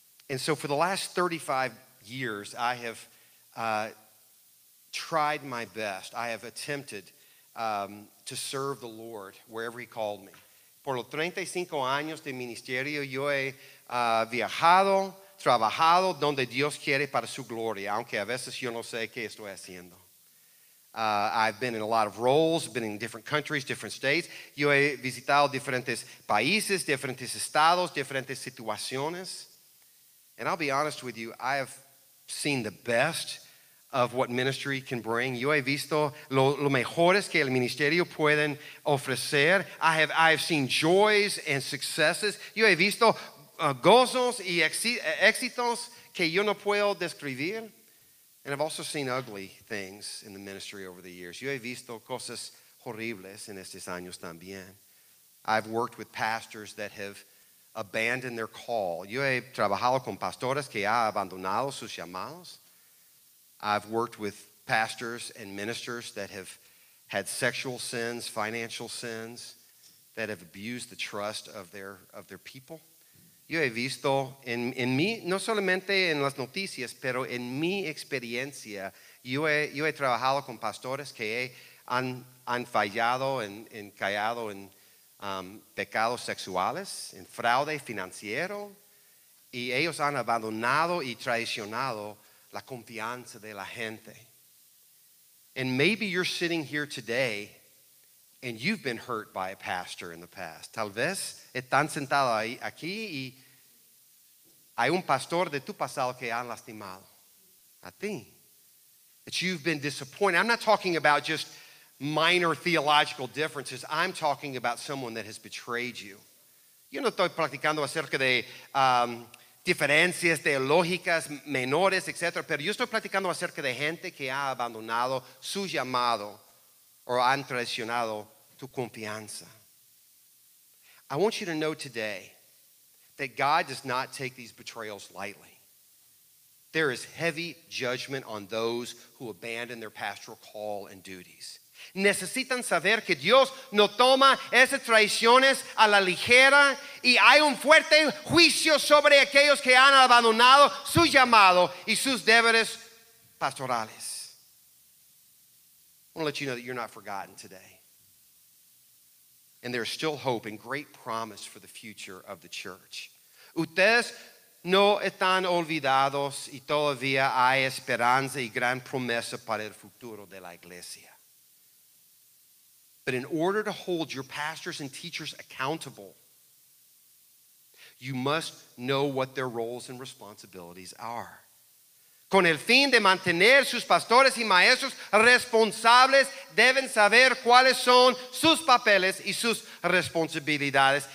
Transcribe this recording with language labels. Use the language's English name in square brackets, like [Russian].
[English] And so for the last 35 years, I have tried my best. I have attempted to serve the Lord wherever he called me. [Spanish] Por los 35 años de ministerio, yo he viajado, trabajado donde Dios quiere para su gloria, aunque a veces yo no sé qué estoy haciendo. [English] I've been in a lot of roles, been in different countries, different states. [Spanish] Yo he visitado diferentes países, diferentes estados, diferentes situaciones. [English] And I'll be honest with you, I have seen the best of what ministry can bring. [Spanish] Yo he visto lo mejores que el ministerio pueden ofrecer. [English] I have seen joys and successes. [Spanish] Yo he visto gozos y éxitos que yo no puedo describir. [English] And I've also seen ugly things in the ministry over the years. [Spanish] Yo he visto cosas horribles en estos años también. [English] I've worked with pastors that have abandoned their call. [Spanish] Yo he trabajado con pastores que han abandonado sus llamados. [English] I've worked with pastors and ministers that have had sexual sins, financial sins, that have abused the trust of their people. [Spanish] Yo he visto en mí, no solamente en las noticias, pero en mi experiencia, yo he trabajado con pastores que han fallado en callado en pecados sexuales, en fraude financiero, y ellos han abandonado y traicionado la confianza de la gente. [English] And maybe you're sitting here today and you've been hurt by a pastor in the past. [Spanish] Tal vez están sentados ahí, aquí y hay un pastor de tu pasado que han lastimado a ti. [English] That you've been disappointed. I'm not talking about just minor theological differences. I'm talking about someone that has betrayed you. [Spanish] Yo no estoy practicando acerca de diferencias teológicas menores, etc. Pero yo estoy practicando acerca de gente que ha abandonado su llamado o han traicionado tu confianza. [English] I want you to know today that God does not take these betrayals lightly. There is heavy judgment on those who abandon their pastoral call and duties. [Spanish] Necesitan saber que Dios no toma esas traiciones a la ligera y hay un fuerte juicio sobre aquellos que han abandonado su llamado y sus deberes pastorales. [English] I want to let you know that you're not forgotten today. And there's still hope and great promise for the future of the church. [Spanish] Ustedes no están olvidados y todavía hay esperanza y gran promesa para el futuro de la iglesia. [English] But in order to hold your pastors and teachers accountable, you must know what their roles and responsibilities are. [Spanish] Con el fin de mantener sus pastores y maestros responsables, deben saber cuáles son sus papeles y sus responsabilidades.